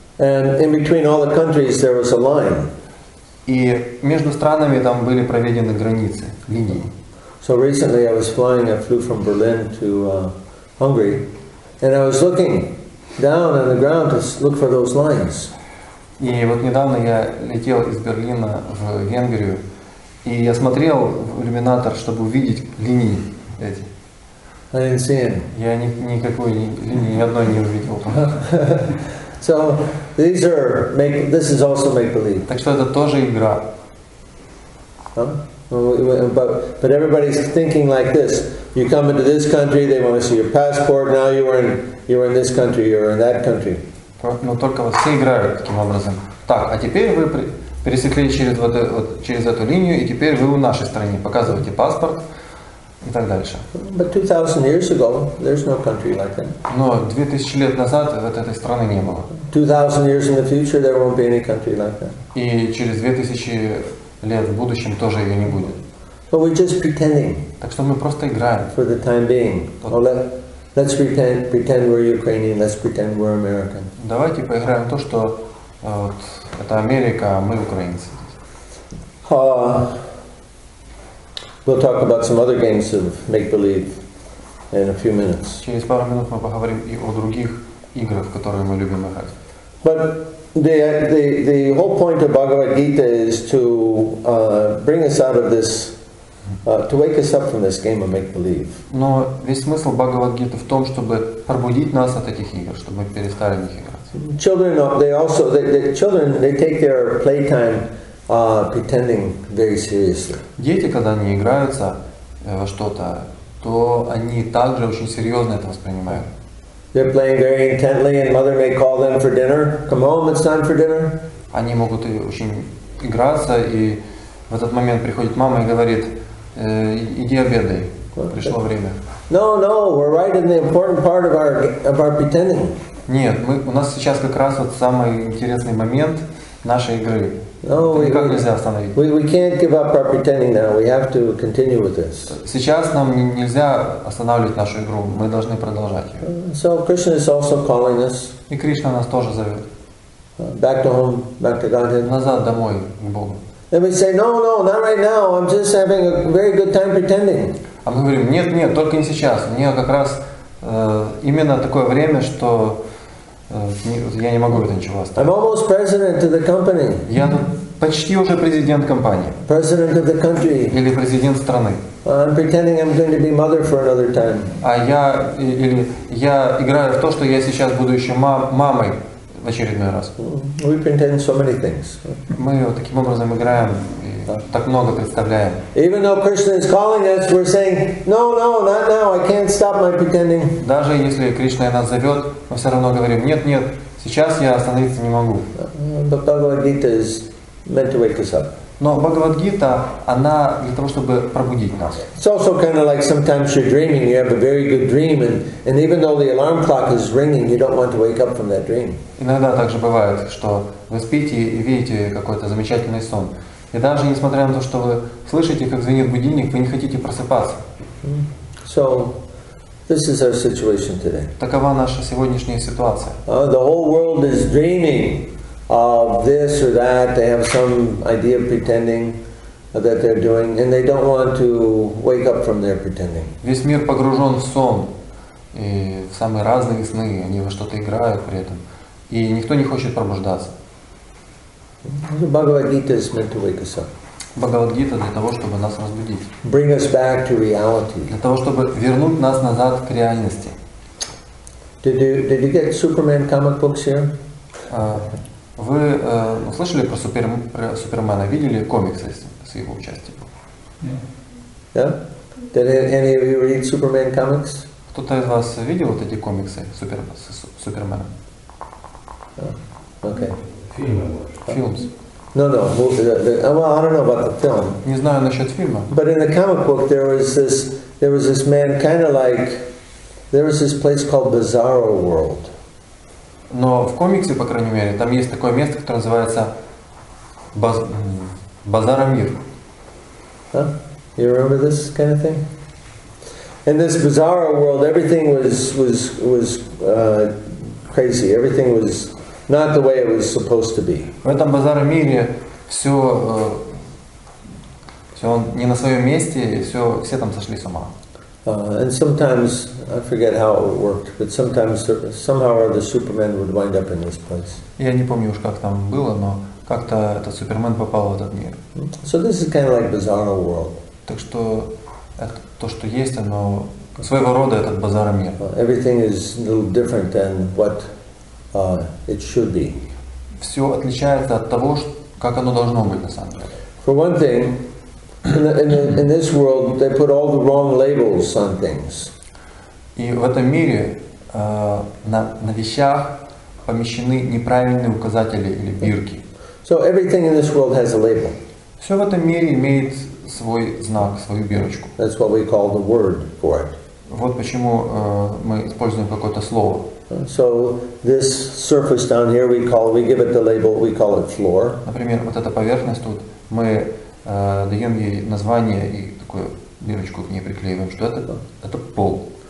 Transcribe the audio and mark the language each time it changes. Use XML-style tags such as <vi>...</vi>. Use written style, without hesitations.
<en>And in between all the countries there was a line.</en> <ru>И между странами там были проведены границы, линии.</ru> <en>So recently I was flying, I flew from Berlin to Hungary, and I was looking down on the ground to look for those lines.</en> <ru>И вот недавно я летел из Берлина в Венгрию, и я смотрел в иллюминатор, чтобы увидеть линии эти.</ru> <en>I didn't see any.</en> <ru>Я никакой линии, ни одной не увидел.</ru> <en>So these are make. This is also make-believe.</en> <ru>Так что это тоже игра.</ru> <en>But everybody's thinking like this. You come into this country, they want to see your passport. Now you're in this country, you're in that country.</en> <ru>Но только вот все играют таким образом. Так, а теперь вы пересекли через эту линию, и теперь вы в нашей стране. Показывайте паспорт и так дальше.</ru> <en>But 2,000 years ago, there's no country like that.</en> <ru>Но 2,000 лет назад вот этой страны не было.</ru> <en>2,000 years in the future, there won't be any country like that.</en> <ru>И через 2,000 лет в будущем тоже ее не будет.</ru> <en>But we're just pretending.</en> <ru>Так что мы просто играем.</ru> <en>For the time being. Let's pretend we're Ukrainian. Let's pretend we're American.</en> <ru>Давайте поиграем в то, что вот, это Америка, а мы украинцы.</ru> <en>We'll talk about some other games of make-believe in a few minutes.</en> <ru>Через пару минут мы поговорим и о других играх, которые мы любим играть.</ru> <en>But the whole point of Bhagavad Gita is to bring us out of this, to wake us up from this game of make-believe.</en> <ru>Но весь смысл Бхагавад Гиты в том, чтобы пробудить нас от этих игр, чтобы мы перестали в них играть.</ru> <en>Children take their playtime pretending very seriously.</en> <ru>Дети, когда они играются во что-то, то они также очень серьезно это воспринимают.</ru> <en>They're playing very intently, and mother may call them for dinner. Come home, it's time for dinner.</en> <ru>Они могут очень играться, и в этот момент приходит мама и говорит: иди обедай, пришло время.</ru> <en>No, we're right in the important part of our pretending.</en> <ru>Нет, у нас сейчас как раз вот самый интересный момент нашей игры.</ru> <en>No, we can't give up our pretending now. We have to continue with this.</en> <ru>Сейчас нам нельзя останавливать нашу игру. Мы должны продолжать ее.</ru> <en>So Krishna is also calling us.</en> <ru>И Кришна нас тоже зовет.</ru> <en>Back to home, back to Godhead.</en> <ru>Назад домой к Богу.</ru> <en>And we say, no, no, not right now. I'm just having a very good time pretending.</en> <ru>А мы говорим, нет, нет, только не сейчас. Мне как раз именно такое время, что я не могу это ничего оставить.</ru> <en>I'm almost president of the company.</en> <ru>Я почти уже президент компании.</ru> <en>President of the country.</en> <ru>Или президент страны.</ru> <en>I'm pretending I'm going to be mother for another time.</en> <ru>А я или я играю в то, что я сейчас буду еще мамой в очередной раз.</ru> <en>We pretend so many things.</en> <ru>Мы вот таким образом играем и так много представляем.</ru> <en>Even though Krishna is calling us, we're saying, no, no, not now. I can't stop my pretending.</en> <ru>Даже если Кришна нас зовет, мы все равно говорим, нет, нет, сейчас я остановиться не могу.</ru> <en>But Bhagavad Gita is meant to wake us up.</en> <ru>Но Бхагавад Гита, она для того, чтобы пробудить нас.</ru> <en>It's also kind of like sometimes you're dreaming, you have a very good dream, and even though the alarm clock is ringing, you don't want to wake up from that dream.</en> <ru>Иногда также бывает, что вы спите и видите какой-то замечательный сон. И даже несмотря на то, что вы слышите, как звенит будильник, вы не хотите просыпаться.</ru> <en>So, this is our situation today.</en> <ru>Такова наша сегодняшняя ситуация.</ru> <en>The whole world is dreaming of this or that, they have some idea of pretending that they're doing, and they don't want to wake up from their pretending.</en> <ru>Весь мир погружен в сон, и в самые разные сны, они во что-то играют при этом, и никто не хочет пробуждаться.</ru> <en>Bhagavad Gita is meant to wake us up.</en> <ru>Bhagavad Gita для того, чтобы нас разбудить.</ru> <en>Bring us back to reality.</en> <ru>Для того, чтобы вернуть нас назад к реальности.</ru> <en>Did you get Superman comic books here?</en> <ru>Вы слышали про Супермена? Видели комиксы с его участием? Да?</ru> <en>Yeah. Any of you read Superman comics?</en> <ru>Кто-то из вас видел вот эти комиксы с Суперменом? Окей. Фильмы.</ru> <en>Well, I don't know about the film.</en> <ru>Не знаю насчет фильма.</ru> <en>But in the comic book there was this man kind of like there was this place called Bizarro World.</en> <ru>Но в комиксе, по крайней мере, там есть такое место, которое называется Базаромир.</ru> <en>Huh? You remember this kind of thing? In this bizarre world, everything was crazy. Everything was not the way it was supposed to be.</en> <ru>В этом Базаромире все не на своем месте, все там сошли с ума.</ru> <en>And sometimes I forget how it worked, but sometimes somehow or other Superman would wind up in this place.</en> <ru>Я не помню уж как там было, но как-то этот Супермен попал в этот мир.</ru> <en>So this is kind of like Bizarro World.</en> <ru>Так что это то, что есть, оно своего рода этот базар мир.</ru> <en>Everything is a little different than what it should be.</en> <ru>Все отличается от того, как оно должно быть на самом деле.</ru> <en>For one thing. In this world, they put all the wrong labels on things.</en> <ru>И в этом мире на вещах помещены неправильные указатели или бирки.</ru> <en>So everything in this world has a label.</en> <ru>Все в этом мире имеет свой знак, свою бирочку.</ru> <en>That's what we call the word for it.</en> <ru>Вот почему мы используем какое-то слово.</ru> <en>So this surface down here, we give it the label, we call it floor.</en> <ru>Например, вот эта поверхность тут мы даем ей название и такую дырочку к ней приклеиваем, что это пол.</ru>